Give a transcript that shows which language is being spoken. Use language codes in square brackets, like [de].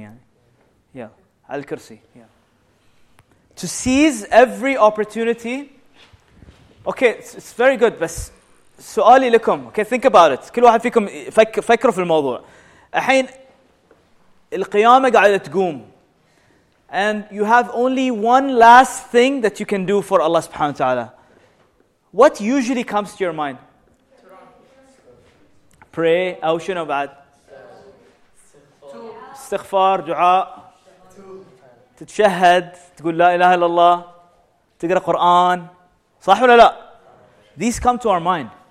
[en] يعني. Yeah. [ar] على الكرسي. [en] Yeah. To seize every opportunity. Okay, it's very good. [ar] بس سؤالي لكم. [en] Okay, think about it. [ar] كل واحد فيكم فكروا في الموضوع. الحين القيامة قاعدة تقوم. [en] And you have only one last thing that you can do for Allah subhanahu wa ta'ala. What usually comes to your mind? Pray. [ar] أو شنو بعد؟ استغفار دعاء تتشهد تقول لا إله إلا الله تقرأ قرآن صح ولا لا؟ [en] These come to our mind.